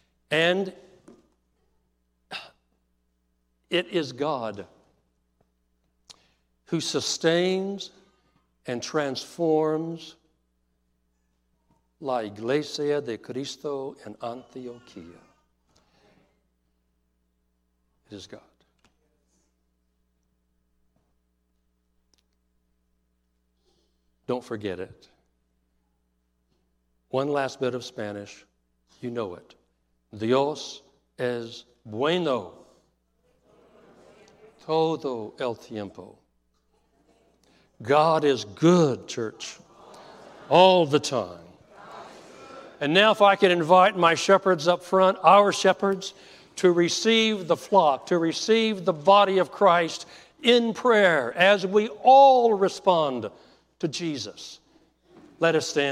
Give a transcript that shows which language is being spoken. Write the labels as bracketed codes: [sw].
[en] And it is God who sustains and transforms La Iglesia de Cristo in Antioquia. It is God. Don't forget it. One last bit of Spanish, you know it. [es] Dios es bueno todo el tiempo. [en] God is good, church, all the time. And now if I could invite my shepherds up front, our shepherds, to receive the flock, to receive the body of Christ in prayer as we all respond to Jesus. Let us stand.